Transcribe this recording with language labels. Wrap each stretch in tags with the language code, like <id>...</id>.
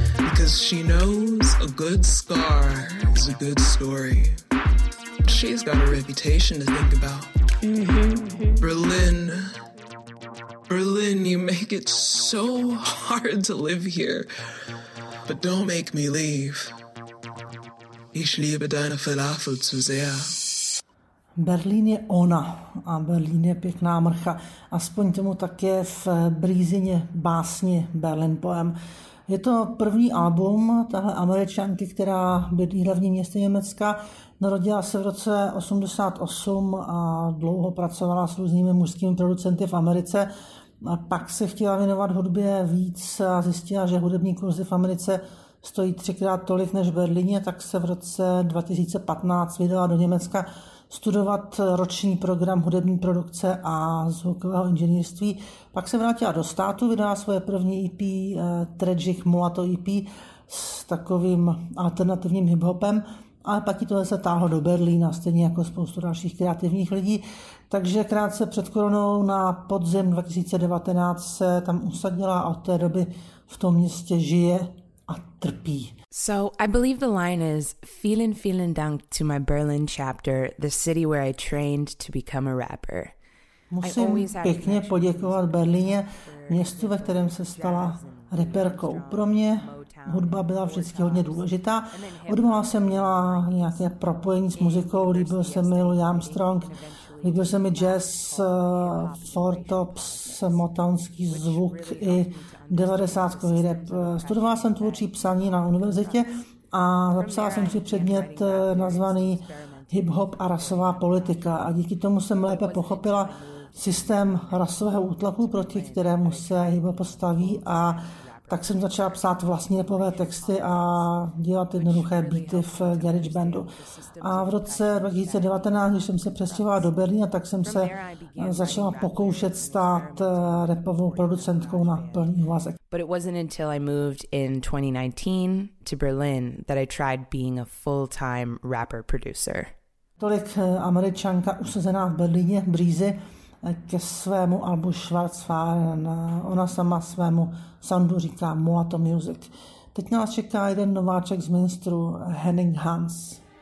<en>Because she knows a good scar is a good story. She's got a reputation to think about. Mm-hmm. Berlin... Berlin, you make it so hard to live here. But don't make me leave.</en> <de>Ich liebe deine Falafel zu sehr.</de> <cs>Berlín je ona a Berlín je pěkná mrcha. Aspoň tomu tak je v Breezyně básni Berlin Poem. Je to první album tahle Američanky, která bydlí hlavní město Německa. Narodila se v roce 88 a dlouho pracovala s různými mužskými producenty v Americe. A pak se chtěla věnovat hudbě víc a zjistila, že hudební kurzy v Americe stojí 3x tolik než v Berlíně, tak se v roce 2015 vydala do Německa studovat roční program hudební produkce a zvukového inženýrství. Pak se vrátila do státu, vydala svoje první EP, Tragic Mulatto EP, s takovým alternativním hiphopem, ale pak ji tohle se táhlo do Berlína, stejně jako spoustu dalších kreativních lidí. Takže krátce před koronou na podzim 2019 se tam usadila a od té doby v tom městě žije a trpí.</cs> <en>So I believe the line is</en> <de>vielen, vielen Dank</de> <en>to my Berlin chapter, the city where I trained to become a rapper.</en> <cs>Musím pěkně poděkovat Berlíně, městu, ve kterém se stala reperkou. Pro mě hudba byla vždycky hodně důležitá. Od malá jsem měla nějaké propojení s muzikou, líbil se mi Louis Armstrong, líbil se mi jazz, four tops, motownský zvuk i 90-kový rap. Studovala jsem tvůrčí psaní na univerzitě a zapsala jsem si předmět nazvaný hip-hop a rasová politika a díky tomu jsem lépe pochopila systém rasového útlaku, proti kterému se hip-hop staví, a tak jsem začala psát vlastní rapové texty a dělat jednoduché beaty v garage bandu. A v roce 2019, když jsem se přestěhovala do Berlína, tak jsem se začala pokoušet stát rapovou producentkou na plný úvazek.</cs> <en>But it wasn't until I moved in 2019 to Berlin that I tried being a full-time rapper producer.</en> <cs>Tolik Američanka usazená v Berlíně, Breezy, ke svému albu Schwarzfahren. Ona sama svému soundu říká Mulatto Music. Teď nás čeká jeden nováček z ministru, Henning Hans.</cs>